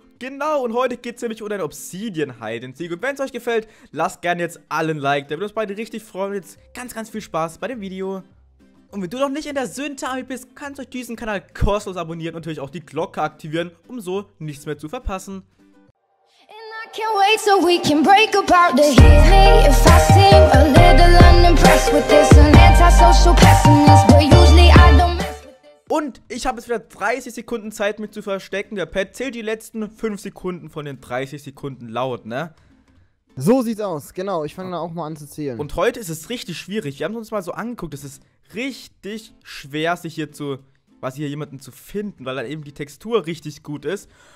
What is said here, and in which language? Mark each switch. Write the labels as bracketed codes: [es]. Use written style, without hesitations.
[de] Genau, und heute geht es nämlich um ein Obsidian-Hide-and-Seek. Und wenn es euch gefällt, lasst gerne jetzt allen Like, da wir uns beide richtig freuen. Und jetzt ganz, ganz viel Spaß bei dem Video. Und wenn du noch nicht in der Synth-Army bist, kannst du euch diesen Kanal kostenlos abonnieren und natürlich auch die Glocke aktivieren, um so nichts mehr zu verpassen. [en] Can't wait so we can break about the heat. Hey, if I seem a little unimpressed with this, an antisocial pessimist, but usually I don't mess with this. [de] Und ich habe jetzt wieder 30 Sekunden Zeit, mich zu verstecken. Der Pat zählt die letzten 5 Sekunden von den 30 Sekunden laut, ne? So sieht's aus, genau. Ich fange da auch mal an zu zählen. Und heute ist es richtig schwierig. Wir haben uns mal so angeguckt. Es ist richtig schwer, sich hier zu, was hier jemanden zu finden, weil dann eben die Textur richtig gut ist.